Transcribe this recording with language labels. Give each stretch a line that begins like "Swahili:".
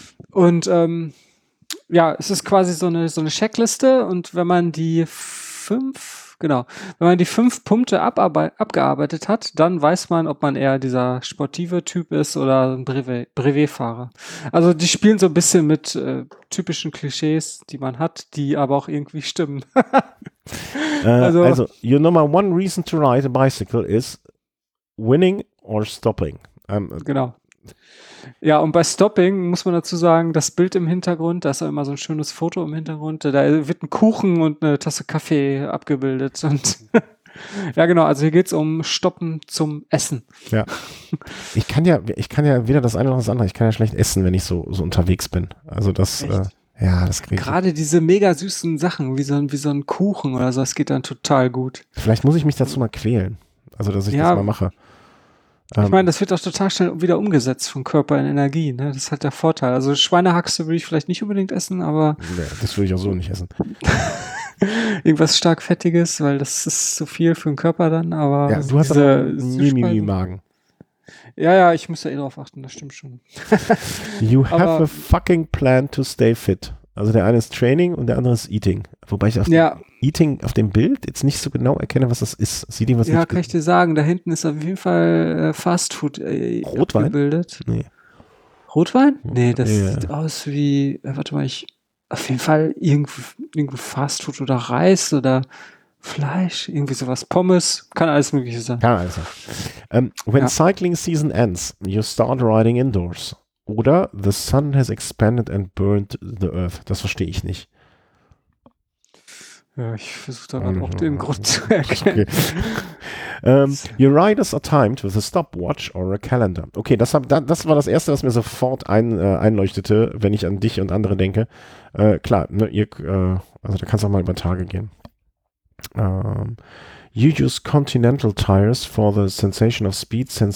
German: Und es ist quasi so eine Checkliste, und wenn man die fünf Punkte abgearbeitet hat, dann weiß man, ob man eher dieser sportive Typ ist oder ein Brevet-Fahrer. Also die spielen so ein bisschen mit typischen Klischees, die man hat, die aber auch irgendwie stimmen.
English: also, your number one reason to ride a bicycle is winning or stopping.
German: Genau. Ja, und bei Stopping muss man dazu sagen, das Bild im Hintergrund, da ist auch immer so ein schönes Foto im Hintergrund, da wird ein Kuchen und eine Tasse Kaffee abgebildet. Und ja, genau, also hier geht es um Stoppen zum Essen. Ja. Ich kann ja weder das eine noch das andere, ich kann ja schlecht essen, wenn ich so unterwegs bin. Also das, das kriege ich. Gerade diese mega süßen Sachen, wie so ein Kuchen oder so, das geht dann total gut. Vielleicht muss ich mich dazu mal quälen, also dass ich das mal mache. Ich meine, das wird auch total schnell wieder umgesetzt von Körper in Energie. Ne? Das ist halt der Vorteil. Also Schweinehaxe würde ich vielleicht nicht unbedingt essen, aber... Nee, das würde ich auch so nicht essen. Irgendwas stark Fettiges, weil das ist zu viel für den Körper dann, aber... Ja, du hast aber Mimimi-Magen. Ja, ich muss da eh drauf achten, das stimmt schon.
English: You have aber a fucking plan to stay fit.
German: Also der eine ist Training und der andere ist Eating. Wobei ich Eating auf dem Bild jetzt nicht so genau erkenne, was das ist. Sieht irgendwas nicht? Ja, kann ich dir sagen. Da hinten ist auf jeden Fall Fast Food Rotwein? Abgebildet. Nee. Rotwein? Nee, das sieht aus wie, warte mal, ich auf jeden Fall irgendwo Fast Food oder Reis oder Fleisch, irgendwie sowas. Pommes, kann alles Mögliche sein. Kann alles sein.
English: When cycling season ends, you start riding indoors. Oder the sun has expanded and burned the earth.
German: Das verstehe ich nicht. Ja, ich versuche da gerade auch den Grund zu erklären. Okay.
English: Your riders are timed with a stopwatch or a calendar.
German: Okay, das war das Erste, was mir sofort einleuchtete, wenn ich an dich und andere denke. Klar, ne, da kannst du auch mal über Tage gehen.
English: You use continental tires for the sensation of speed.